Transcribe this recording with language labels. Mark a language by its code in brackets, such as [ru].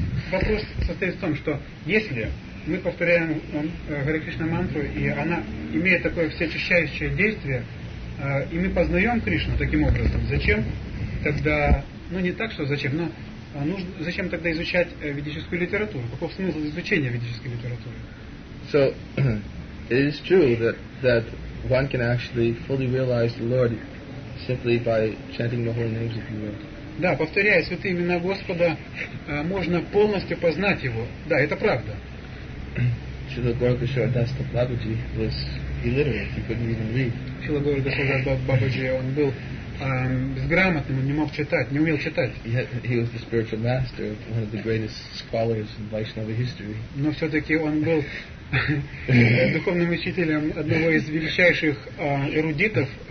[ru] Вопрос состоит в том, что если мы повторяем Харе Кришна мантру, и она имеет такое всеочищающее действие, и мы познаем Кришну таким образом, зачем тогда, ну не так, что зачем, но нужно, зачем тогда изучать ведическую литературу? Каков смысл изучения ведической литературы? [en] So, it is true that one can actually fully realize the Lord simply by chanting the holy names of the Lord. [ru] Да, повторяя святые имена Господа, можно полностью познать его. Да, это правда. [en] Srila Gaurakishore Das Babaji was illiterate. He couldn't even read. [ru] Srila Gaurakishore Das Babaji, он был безграмотным, он не мог читать, не умел читать. [en] Yet he was the spiritual master, one of the greatest scholars in Vaishnava history. [ru] Но все-таки он был духовным учителем одного из величайших эрудитов.